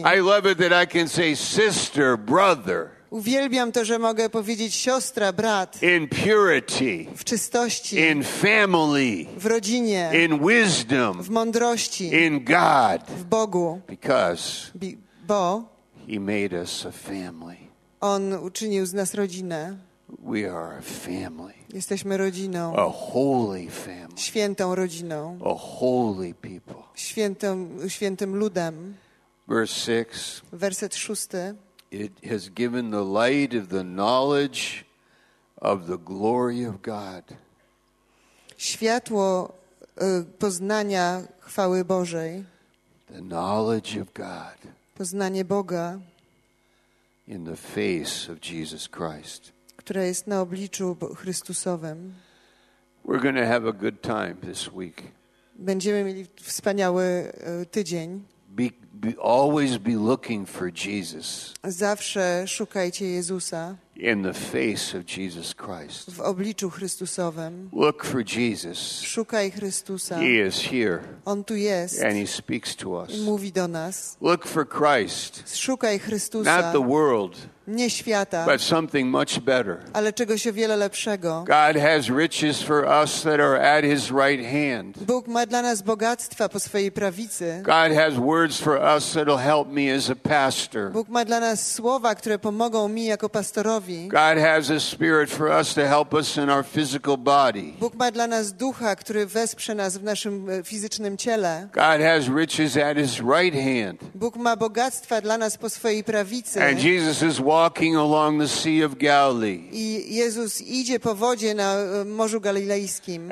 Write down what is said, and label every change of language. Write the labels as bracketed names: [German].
[English] I love it that I can say sister, brother. [Polish] Uwielbiam to, że mogę powiedzieć siostra, brat. [English] In purity. [Polish] W czystości. [English] In family. [Polish] W rodzinie. [English] In wisdom. [Polish] W mądrości. [English] In God. [Polish] W Bogu. [English] Because [Polish] bo [English] He made us a family. [Polish] On uczynił z nas rodzinę. [English] We are a family. [Polish] Jesteśmy rodziną. [English] A holy family. [Polish] Świętą rodziną. [English] A holy people. [Polish] Świętym ludem. [English] Verse 6. [Polish] Werset 6. [English] It has given the light of the knowledge of the glory of God. [Polish] Światło poznania chwały Bożej. [English] The knowledge of God. [Polish] Poznanie Boga. [English] In the face of Jesus Christ. [Polish] Które jest na obliczu Chrystusowym. [English] We're going to have a good time this week. [Polish] Będziemy mieli wspaniały tydzień. [English] Always be looking for Jesus. [Polish] Zawsze szukajcie Jezusa. [English] In the face of Jesus Christ. [Polish] W obliczu Chrystusowym. [English] Look for Jesus. [Polish] Szukaj Chrystusa. [English] He is here. [Polish] On tu jest. [English] And he speaks to us. [Polish] I mówi do nas. [English] Look for Christ. [Polish] Szukaj Chrystusa. [English] Not the world. [Polish] Nie świata. [English] But something much better. [Polish] Ale czegoś o wiele lepszego. [English] God has riches for us that are at his right hand. [Polish] Bóg ma dla nas bogactwa po swojej prawicy. [English] God has words for us that'll help me as a pastor. [Polish] Bóg ma dla nas słowa, które pomogą mi jako pastorowi. [English] God has a spirit for us to help us in our physical body. [Polish] Bóg ma dla nas ducha, który wesprze nas w naszym fizycznym ciele. [English] God has riches at his right hand. [Polish] Bóg ma bogactwa dla nas po swojej prawicy. [English] And Jesus is walking along the Sea of Galilee. [Polish] I Jezus idzie po wodzie na Morzu Galilejskim.